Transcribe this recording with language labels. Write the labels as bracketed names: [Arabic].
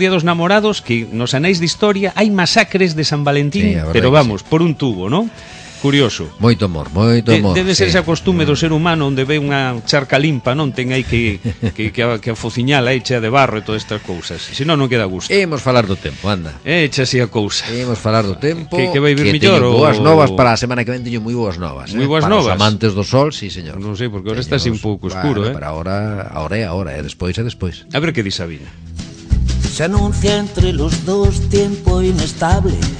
[Galician] Día dos namorados, que nos anéis de historia, [Spanish] hay masacres de San Valentín, sí, pero vamos, sí, por un tubo, ¿no? [Galician] Curioso. Moito amor, moito amor. Debe ser esa costume do ser humano onde ve unha charca limpa, non ten aí que a fociñala aí chea de barro e todas estas cousas. Se non, non queda gusto. Imos falar do tempo, anda. Echa así a cousa. Imos falar do tempo. Que vai vir mellor. Que teño boas novas para a semana que ven, teño moi boas novas. Moi boas novas. Para os amantes do sol, sí, señor. Non sei, porque agora está así un pouco escuro, eh. Para agora, agora é agora, e despois é despois. A ver que di Sabina. [Spanish] Se anuncia entre los dos tiempo inestable.